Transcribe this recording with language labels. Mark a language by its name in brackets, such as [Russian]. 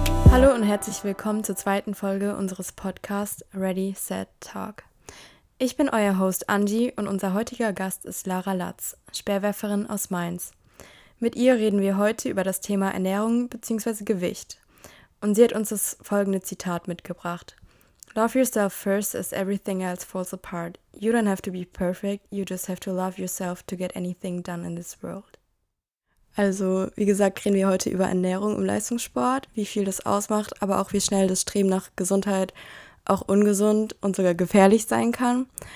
[German] Hallo und herzlich willkommen zur zweiten Folge unseres Podcasts Ready, Set, Talk. Ich bin euer Host Angie und unser heutiger Gast ist Lara Latz, Speerwerferin aus Mainz. Mit ihr reden wir heute über das Thema Ernährung bzw. Gewicht. Und sie hat uns das folgende Zitat mitgebracht. [English] Love yourself first as everything else falls apart. You don't have to be perfect, you just have to love yourself to get anything done in this world. [German] Also, wie gesagt, reden wir heute über Ernährung im Leistungssport, wie viel das ausmacht, aber auch wie schnell das Streben nach Gesundheit auch ungesund und sogar gefährlich sein kann.